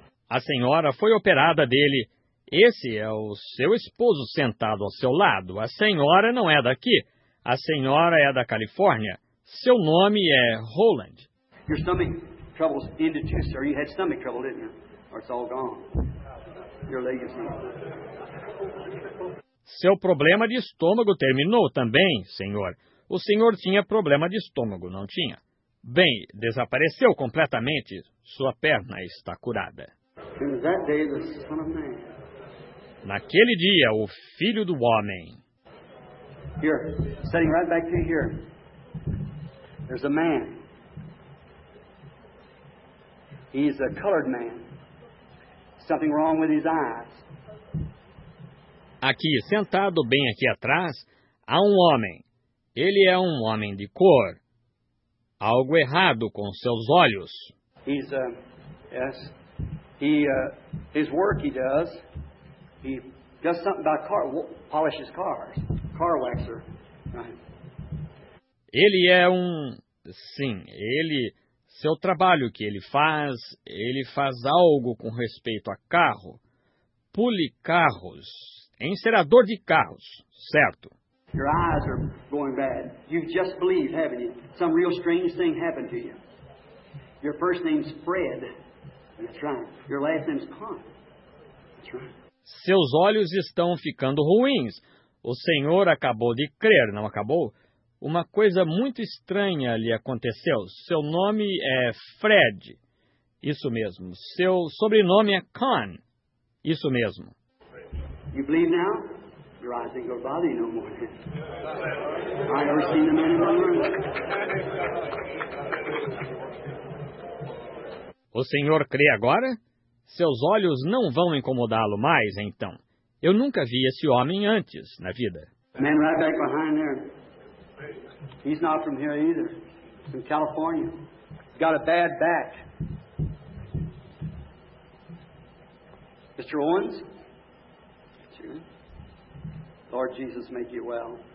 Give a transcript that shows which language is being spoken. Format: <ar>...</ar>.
<pt>A senhora foi operada dele. Esse é o seu esposo sentado ao seu lado. A senhora não é daqui. A senhora é da Califórnia. Seu nome é Roland.</pt> <en>Your stomach trouble's ended too, sir. You had stomach trouble, didn't you? Or it's all gone. Your leg is gone.</en> <pt>Seu problema de estômago terminou também, senhor. O senhor tinha problema de estômago, não tinha? Bem, desapareceu completamente. Sua perna está curada.</pt> <en>That day, the son of man.</en> <pt>Naquele dia, o filho do homem.</pt> <en>Here, sitting right back to you here. There's a man. He's a colored man. Something wrong with his eyes.</en> <pt>Aqui, sentado bem aqui atrás, há um homem. Ele é um homem de cor. Algo errado com seus olhos.</pt> <en>He's a yes. He his work he does. He does something about car, polishes cars, car waxer. Right?</en> <pt>Ele é um sim, ele seu trabalho que ele faz algo com respeito a carro. Pule carros. Encerador de carros, certo?</pt> <en>Your eyes are going bad. You've just believed, haven't you? Some real strange thing happened to you. Your first name's Fred. That's right. Your last name's Pond. That's right.</en> <pt>Seus olhos estão ficando ruins. O senhor acabou de crer, não acabou? Uma coisa muito estranha lhe aconteceu. Seu nome é Fred. Isso mesmo. Seu sobrenome é Kahn. Isso mesmo.</pt> <en>You believe now? Your eyes ain't gonna bother you no more. I never seen the man in my room.</en> <pt>O senhor crê agora? Seus olhos não vão incomodá-lo mais, então. Eu nunca vi esse homem antes na vida.</pt> <en>Man right back behind there. He's not from here either. From California. He's got a bad back. Mr. Owens? Lord Jesus, make you well.</en>